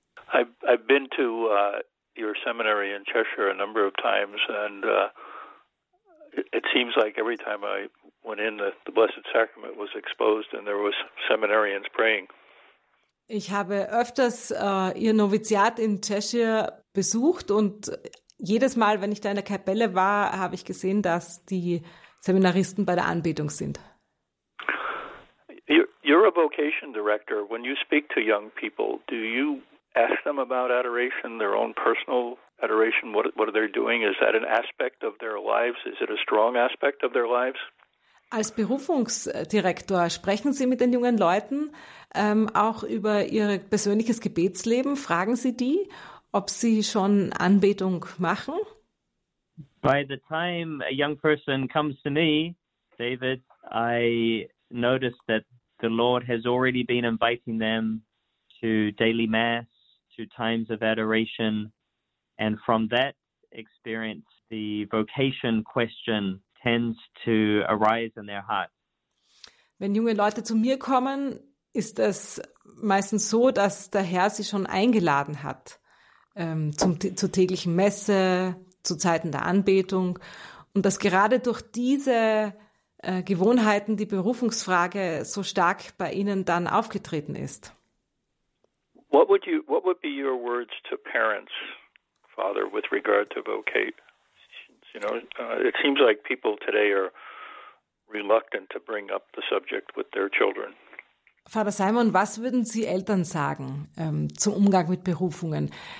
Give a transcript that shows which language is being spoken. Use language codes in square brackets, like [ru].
[en] I've been to your seminary in Cheshire a number of times, and it seems like every time I went in, the Blessed Sacrament was exposed and there was seminarians praying. [de] Ich habe öfters Ihr Noviziat in Cheshire besucht und jedes Mal, wenn ich da in der Kapelle war, habe ich gesehen, dass die Seminaristen bei der Anbetung sind. [en] You're a vocation director. When you speak to young people, do you ask them about adoration, their own personal adoration? What are they doing? Is that an aspect of their lives? Is it a strong aspect of their lives? [de] Als Berufungsdirektor sprechen Sie mit den jungen Leuten auch über ihr persönliches Gebetsleben. Fragen Sie die, ob sie schon Anbetung machen? [en] By the time a young person comes to me, David, I notice that the Lord has already been inviting them to daily mass, to times of adoration. And from that experience, the vocation question tends to arise in their heart. [de] Wenn junge Leute zu mir kommen, ist es meistens so, dass der Herr sie schon eingeladen hat zur täglichen Messe, zu Zeiten der Anbetung, und dass gerade durch diese Gewohnheiten die Berufungsfrage so stark bei ihnen dann aufgetreten ist. [en] What would be your words to parents, Father, with regard to vocation? You know, it seems like people today are reluctant to bring up the subject with their children. [de] Father Simon, was würden Sie Eltern sagen zum Umgang mit Berufungen?